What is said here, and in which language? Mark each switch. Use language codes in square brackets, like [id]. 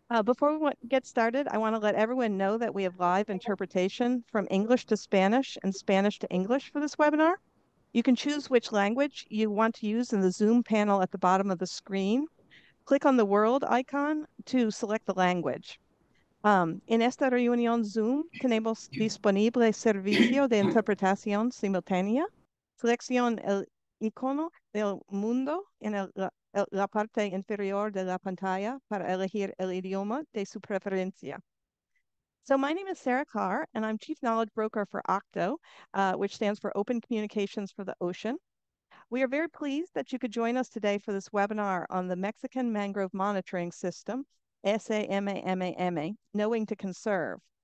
[en] Before we get started, I want to let everyone know that we have live interpretation from English to Spanish and Spanish to English for this webinar. You can choose which language you want to use in the Zoom panel at the bottom of the screen. Click on the world icon to select the language. [es] En esta reunión Zoom tenemos disponible servicio de interpretación simultánea. Selecciona el icono del mundo en la parte inferior de la pantalla para elegir el idioma de su preferencia. [en] So my name is Sarah Carr, and I'm Chief Knowledge Broker for OCTO, which stands for Open Communications for the Ocean. We are very pleased that you could join us today for this webinar on the Mexican Mangrove Monitoring System, SAMAMAMA, Knowing to Conserve.